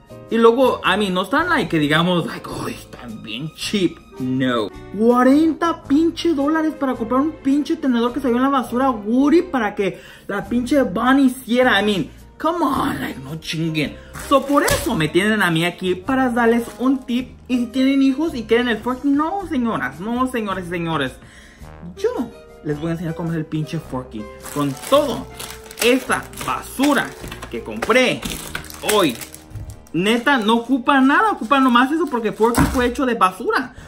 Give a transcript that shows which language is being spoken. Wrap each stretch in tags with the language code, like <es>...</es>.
<es>Y luego,</es> <en>I mean,</en> <es>no están like, que digamos, like, oh, están bien cheap. No, 40 pinche dólares para comprar un pinche tenedor que salió en la basura, Woody, para que la pinche Bunny hiciera.</es> <en>I mean, come on, like,</en> <es>no chinguen. So, por eso me tienen a mí aquí, para darles un tip. Y si tienen hijos y quieren el Forky, no, señoras, no, señores y señores, yo les voy a enseñar cómo es el pinche Forky. Con todo esa basura que compré hoy, neta, no ocupa nada, ocupa nomás eso, porque Forky fue hecho de basura.</es>